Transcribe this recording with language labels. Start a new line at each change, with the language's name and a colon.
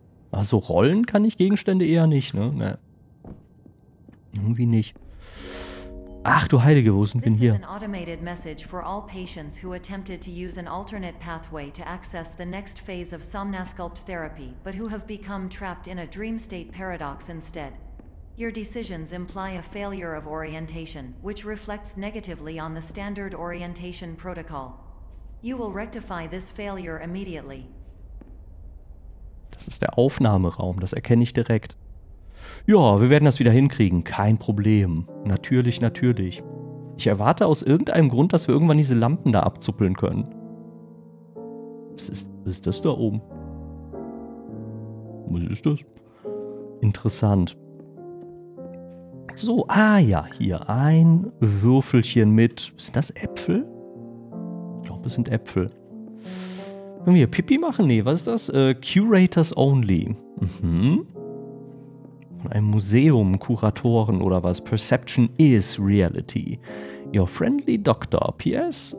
German: Also rollen kann ich Gegenstände eher nicht, ne? Nee. Irgendwie nicht. Ach du Heilige, wo sind wir denn
English: This is
German: hier?
English: an automated message for all patients who attempted to use an alternate pathway to access the next phase of Somnasculpt therapy, but who have become trapped in a dream state paradox instead. Your decisions imply a failure of orientation, which reflects negatively on the standard orientation protocol. You will rectify this failure immediately.
German: Das ist der Aufnahmeraum, das erkenne ich direkt. Ja, wir werden das wieder hinkriegen. Kein Problem. Natürlich, natürlich. Ich erwarte aus irgendeinem Grund, dass wir irgendwann diese Lampen da abzuppeln können. Was ist das da oben? Was ist das? Interessant. So, ah ja, hier ein Würfelchen mit. Sind das Äpfel? Ich glaube, es sind Äpfel. Können wir hier Pipi machen? Nee, was ist das?
English: Curators only.
German: in einem Museum, Kuratoren oder was.
English: Perception is reality. Your friendly doctor, P.S.